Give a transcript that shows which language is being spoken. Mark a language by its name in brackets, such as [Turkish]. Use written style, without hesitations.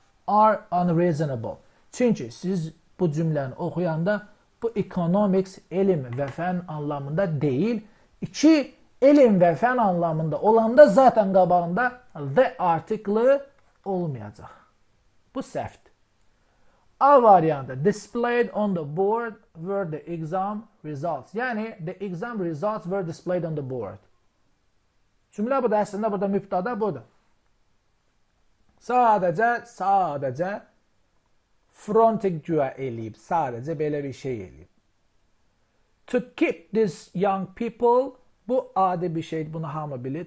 [English] Are unreasonable. [Azerbaijani] Çünki siz bu cümləni oxuyanda bu economics elm və fən anlamında deyil. İki, elm və fən anlamında olanda zaten qabağında the artıqlı olmayacaq. Bu səhvdir. [English] A variantı, displayed on the board were the exam results. Yəni, the exam results were displayed on the board. [Azerbaijani] Cümlə burada, əslində burada mübtada budur. Sadəcə frontik güə eləyib, sadəcə belə bir şey eləyib. [English] To keep these young people, [Azerbaijani] bu adi bir şeydir, bunu hamı bilir.